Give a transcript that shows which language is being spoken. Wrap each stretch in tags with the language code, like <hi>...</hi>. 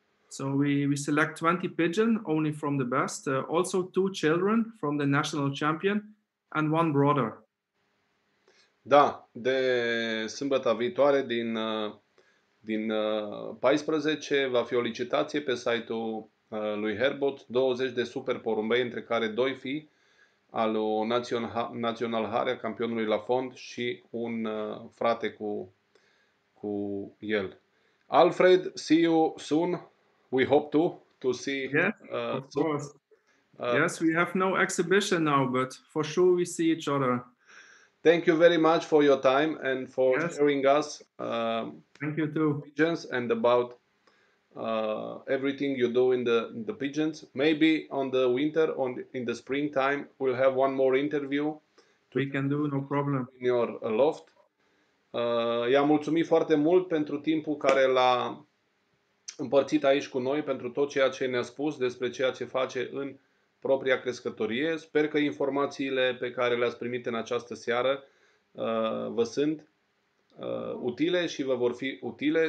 <en>So we select 20 pigeons only from the best. Also two children from the national champion and one brother.</en> <ro>Da, de sâmbătă viitoare din 14 va fi o licitație pe site-ul lui Herbot, 20 de super porumbei, între care doi fii al Național Harea, campionului la fond, și un frate cu el.</ro> <en>Alfred, see you soon. We hope to see. Yes, of course. Yes, we have no exhibition now, but for sure we see each other. Thank you very much for your time and for yes. sharing us. Thank you too. Pigeons and about everything you do in the pigeons. Maybe on the winter, in the springtime, we'll have one more interview. We can do, no problem. In your loft.</en> <ro>I-am mulțumit foarte mult pentru timpul care l-a împărțit aici cu noi, pentru tot ceea ce ne-a spus despre ceea ce face în propria crescătorie. Sper că informațiile pe care le-ați primit în această seară vă sunt utile și vă vor fi utile.</ro>